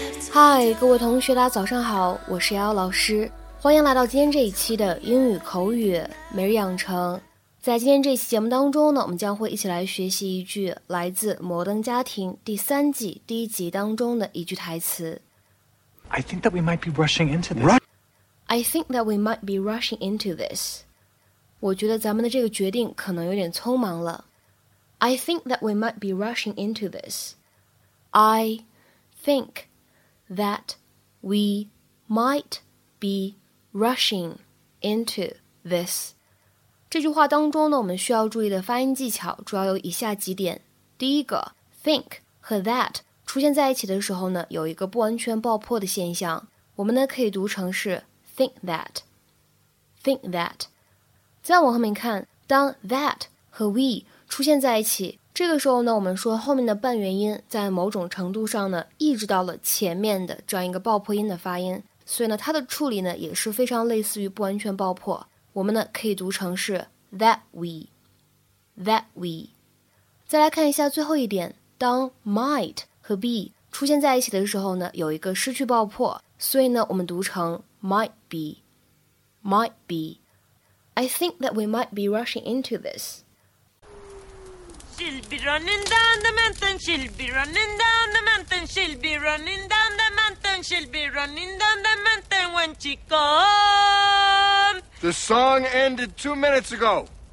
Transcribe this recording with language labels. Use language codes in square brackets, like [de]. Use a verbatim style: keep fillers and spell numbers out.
[zh] 嗨，各位同学大家早上好，我是瑶瑶老师，欢迎来到今天这一期的英语口语每日养成。在今天这期节目当中呢，我们将会一起来学习一句来自摩登家庭第三季第一集当中的一句台词。 [en] I think that we might be rushing into this. I think that we might be rushing into this. [zh] 我觉得咱们的这个决定可能有点匆忙了。 [en] I think that we might be rushing into this. I think that we might be rushing into this. [zh] 这句话当中呢，我们需要注意的发音技巧主要有以下几点。第一个 think 和 that 出现在一起的时候呢，有一个不完全爆破的现象，我们呢可以读成是 [en] think that think that。 [zh] 再往后面看，当 that 和 we 出现在一起，这个时候呢，我们说后面的半元音在某种程度上呢抑制到了前面的这样一个爆破音的发音，所以呢它的处理呢也是非常类似于不完全爆破，我们呢可以读成是 [en] that we that we。 [zh] 再来看一下最后一点，当 might 和 be 出现在一起的时候呢，有一个失去爆破，所以呢我们读成 [en] might be might be。 I think that we might be rushing into this. She'll be running down the mountain, she'll be running down the mountain, she'll be running down the mountain, she'll be running down the mountain when she comes. The song ended two minutes ago.